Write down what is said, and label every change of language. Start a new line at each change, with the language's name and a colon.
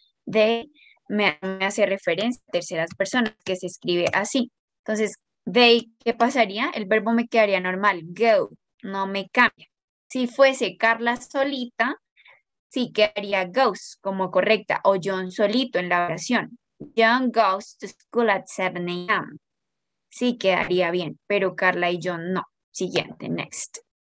Spanish: They me hace referencia a terceras personas, que se escribe así. Entonces, they, ¿qué pasaría? El verbo me quedaría normal, go, no me cambia. Si fuese Carla solita, sí quedaría goes como correcta, o John solito en la oración.
English: John goes to school at 7 a.m.
Spanish: Sí, quedaría bien, pero Carla y yo no. Siguiente, next.